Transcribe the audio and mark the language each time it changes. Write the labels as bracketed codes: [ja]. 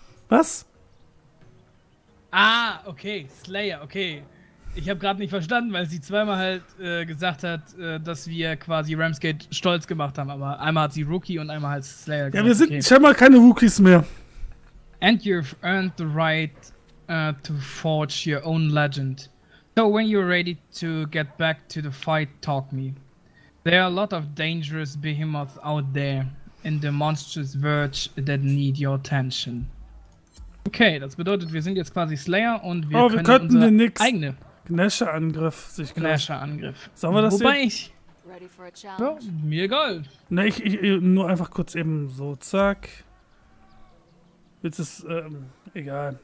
[de] Was? Ah, okay. Slayer, okay. Ich habe gerade nicht verstanden, weil sie zweimal halt gesagt hat, dass wir quasi Ramsgate stolz gemacht haben. Aber einmal hat sie Rookie und einmal halt Slayer gemacht. Ja, wir sind scheinbar keine Rookies mehr. [en] And you've earned the right to forge your own legend. So when you're ready to get back to the fight, talk me. There are a lot of dangerous behemoths out there. In the monstrous verge that need your attention. [de] Okay, das bedeutet, wir sind jetzt quasi Slayer und wir können unsere den eigene Gnasher-Angriff sich greifen. Gnasher-Angriff. Sollen wir das sehen? Wobei ich... [en] Ready for a challenge. [de] Ja, mir egal. Ne, ich nur einfach kurz eben so, zack. Jetzt ist, egal.